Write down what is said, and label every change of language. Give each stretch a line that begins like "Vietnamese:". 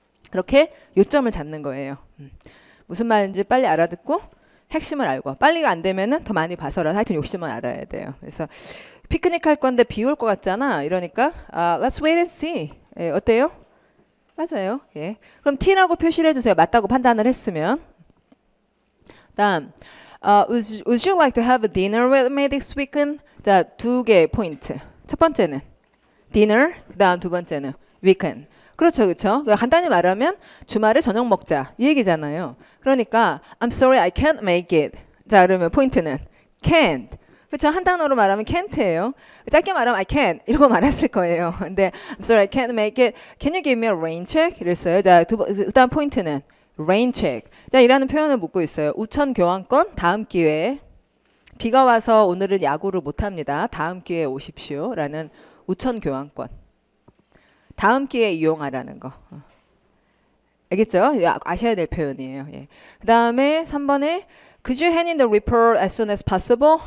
Korean: 그렇게 요점을 잡는 거예요. 무슨 말인지 빨리 알아듣고. 핵심을 알고 빨리가 안 되면은 더 많이 봐서라 하여튼 욕심은 알아야 돼요. 그래서 피크닉 할 건데 비올것 같잖아. 이러니까
English: Let's wait and see.
Korean: 예, 어때요? 맞아요. 예. 그럼 T라고 표시를 해주세요. 맞다고 판단을 했으면.
English: 다음 Would you like to have a dinner with me this weekend?
Korean: 자, 두개 포인트. 첫 번째는 dinner. 그다음 두 번째는 weekend. 그렇죠, 그렇죠. 간단히 말하면 주말에 저녁 먹자 이 얘기잖아요. 그러니까
English: I'm sorry, I can't make it.
Korean: 자, 그러면 포인트는
English: can't.
Korean: 그렇죠, 한 단어로 말하면 can't예요. 짧게 말하면 I can't 이러고 말았을 거예요. 근데
English: I'm sorry, I can't make it. Can you give me a rain check?
Korean: 이랬어요. 자, 두 번, 그다음 포인트는 rain check. 자, 이라는 표현을 묻고 있어요. 우천 교환권, 다음 기회에. 비가 와서 오늘은 야구를 못 합니다. 다음 기회에 오십시오라는 우천 교환권. 다음 기회에 이용하라는 거. 알겠죠? 아셔야 될 표현이에요. 예. 그다음에 3번에
English: Could you hand in the report as soon as possible?